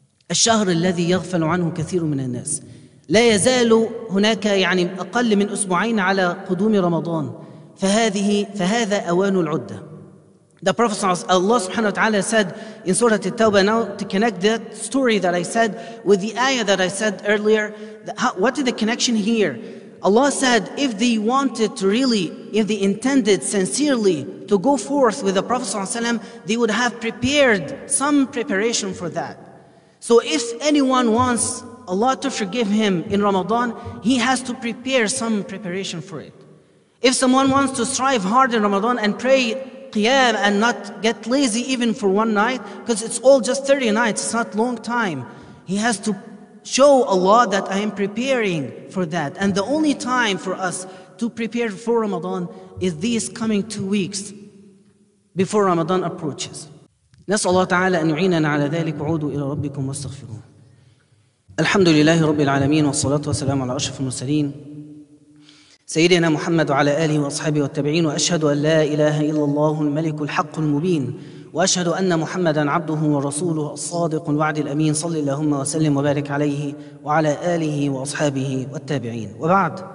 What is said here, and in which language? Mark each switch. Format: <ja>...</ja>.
<ar>الشهر الذي يغفل عنه كثير من الناس لا يزال هناك يعني أقل من أسبوعين على قدوم رمضان فهذا أوان العدة</ar> <en>The Prophet Allah subhanahu wa ta'ala said in Surah At-Tawbah, now to connect that story that I said with the ayah that I said earlier, what is the connection here? Allah said, if they wanted to really, if they intended sincerely to go forth with the Prophet sallallahu alaihi wasallam, they would have prepared some preparation for that. So if anyone wants Allah to forgive him in Ramadan, he has to prepare some preparation for it. If someone wants to strive hard in Ramadan and pray qiyam and not get lazy even for one night, because it's all just 30 nights, it's not long time, he has to show Allah that I am preparing for that. And the only time for us to prepare for Ramadan is these coming 2 weeks before Ramadan approaches.</en> <ar>نسأل الله تعالى أن يعيننا على ذلك وعودوا إلى ربكم واستغفروه. الحمد لله رب العالمين والصلاة والسلام على أشرف المرسلين سيدنا محمد وعلى آله وأصحابه والتابعين وأشهد أن لا إله إلا الله الملك الحق المبين وأشهد أن محمدًا عبده ورسوله الصادق الوعد الأمين صلى اللهم وسلم وبارك عليه وعلى آله وأصحابه والتابعين وبعد</ar>